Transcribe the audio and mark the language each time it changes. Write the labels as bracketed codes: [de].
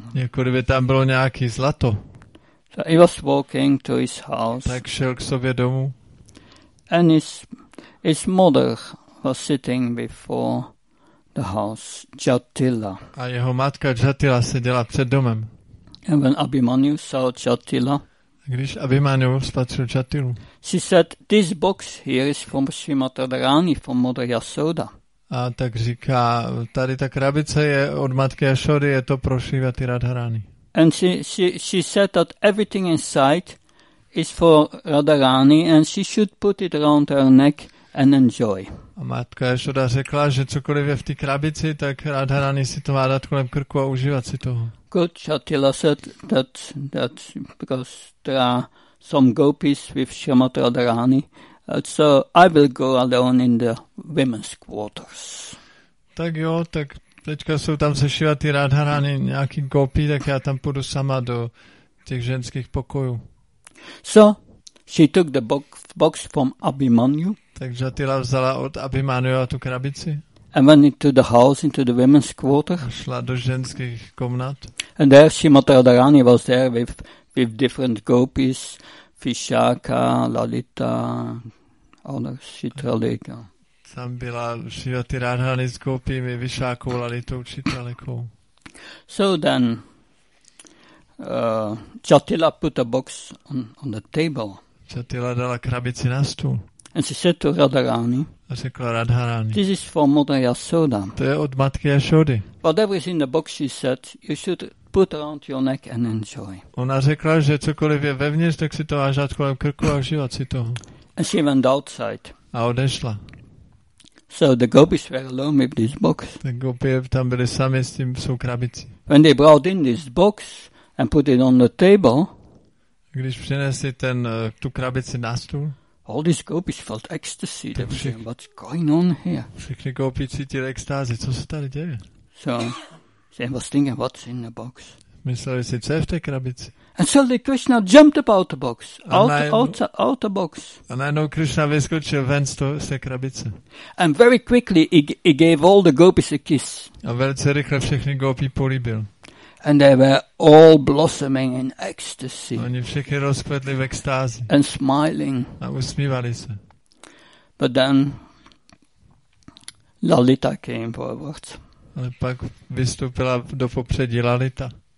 [cs] Jako kdyby tam bylo nějaký zlato. [en] So he was walking to his house. [cs] Tak šel k sobě domů. [en] And his mother was sitting before the house, Jatila. [cs] A jeho matka Jatila seděla před domem. [en] And when Abhimanyu saw Jatila, [cs] když Abhimanyu spatřil Jatilu, [en] she said, this box here is from Srimati Radharani, from Mother Yasoda. [cs] A tak říká, tady ta krabice je od matky Yasody, je to pro Srimati Radharani. [en] And she said that everything inside is for Radharani and she should put it around her neck and enjoy. [cs] A matka Yasoda řekla, že cokoliv je v té krabici, tak Radharani si to má dát kolem krku a užívat si toho. [en] Good, Jatila said that because there are some gopis with Srimati Radharani, so I will go alone in the women's quarters. [cs] Tak jo, tak teďka jsou tam se Srimati Radharani nějaký gopi, tak já tam půjdu sama do těch ženských pokojů. [en] So, she took the box from Abhimanyu. [cs] Tak Jatila vzala od Abhimanyuva tu krabici. [en] And went into the house, into the women's quarters. [cs] Šla do ženských komnat. [en] And there Srimati Radharani was there with different gopis, Vishakha, Lalita, others, Chitralika. [cs] Tam byla Srimati Radharani s gopimi, Vishakou, Lalitou, Chitralikou. [en] So then, Jatila put a box on the table. [cs] Jatila dala krabici na stůl. [en] And she said to Radharani, [cs] A řekla Radharani. [en] This is from Mother Yashoda. [cs] To je od matky Yashody. [en] Whatever is in the box, she said, you should put around your neck and enjoy. [cs] Ona řekla, že cokoliv je vevnitř, tak si to máš dát kolem krku a užívat si toho. [en] And she went outside. [cs] A odešla. [en] So the gopis were alone with this box. [cs] Ty gopi tam byli sami s tím v svou krabici. [en] When they brought in this box and put it on the table. [cs] Když přinesli ten tu krabici na stůl. [en] All these gopis felt ecstasy. They were saying, "What's going on here?" [cs] Všichni gopi cítili extázi. Co se tady děje? [en] So they were thinking, "What's in the box?" [cs] Mysleli si, co je v té krabici? [en] And suddenly Krishna jumped about the box, out the box. [cs] A najednou Krishna vyskočil ven z té krabice. [en] And very quickly he gave all the gopis a kiss. [cs] A velice rychle všechny gopi políbil. [en] And they were all blossoming in ecstasy. [cs] Oni všichni rozkvetli v extázi. [en] And smiling. [cs] A usmívali se. [en] But then Lalita came forward. [cs] Ale pak vystoupila do popředí Lalita.